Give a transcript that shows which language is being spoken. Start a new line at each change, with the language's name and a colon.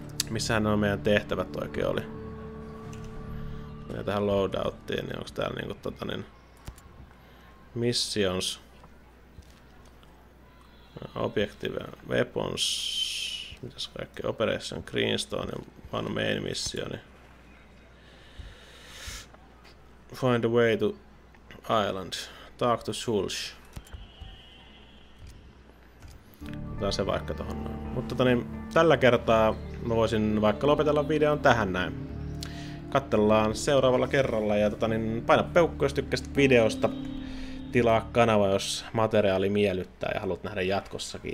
Finnish: Missähän nuo meidän tehtävät oikein oli? Ja tähän loadouttiin, niin onks täällä niinku tota niin missions, objective, weapons, mitäs kaikki, operation, greenstone, one main missioni.
English: Find a way to island, talk to Shulsh.
Finnish: Otetaan se vaikka tohon noin. Mutta tota niin, tällä kertaa mä voisin vaikka lopetella videon tähän näin. Katsellaan seuraavalla kerralla ja tota niin, paina peukku, jos tykkäsit videosta. Tilaa kanava, jos materiaali miellyttää ja haluat nähdä jatkossakin.